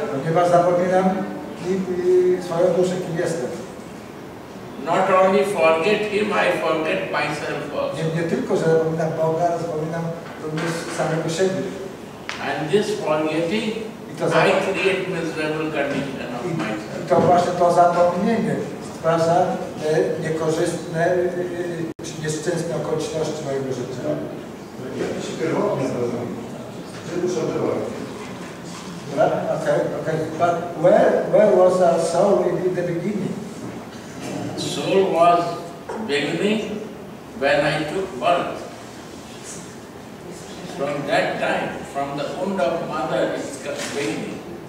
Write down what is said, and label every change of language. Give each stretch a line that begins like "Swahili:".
Polish: Ponieważ zapominam swoją duszę, kim jestem.
English: Not only forget him, I forget myself also.
Polish: Nie tylko, że zapominam Boga, ale zapominam również samego siebie.
English: And this forgetting, I create miserable condition of myself.
Polish: I to właśnie to zapomnienie stwarza te niekorzystne, nieszczęsne okoliczności mojego życia. Jak się pierwotnie zrozumiał? Czy dusza była? Okay.
English: But where was our soul in the beginning? Soul was beginning when I took birth. From that time, from the womb of mother, it's beginning.